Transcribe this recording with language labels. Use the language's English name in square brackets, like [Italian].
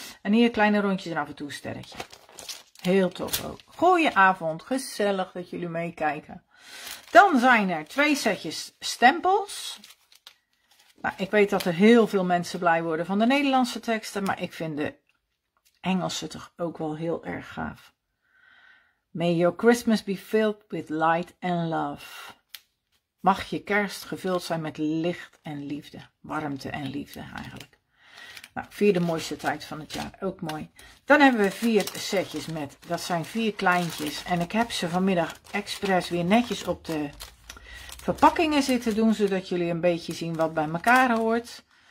[Dutch] En hier kleine rondjes en af en toe een sterretje. Heel tof ook. Goedenavond, gezellig dat jullie meekijken. Dan zijn er twee setjes stempels. Nou, ik weet dat er heel veel mensen blij worden van de Nederlandse teksten, maar ik vind de Engelse toch ook wel heel erg gaaf. [English] May your Christmas be filled with light and love. [Dutch] Mag je kerst gevuld zijn met licht en liefde. Warmte en liefde eigenlijk. Nou, vier de mooiste tijd van het jaar, ook mooi. Dan hebben we vier setjes met, dat zijn vier kleintjes. En ik heb ze vanmiddag expres weer netjes op de verpakkingen zitten doen, zodat jullie een beetje zien wat bij elkaar hoort.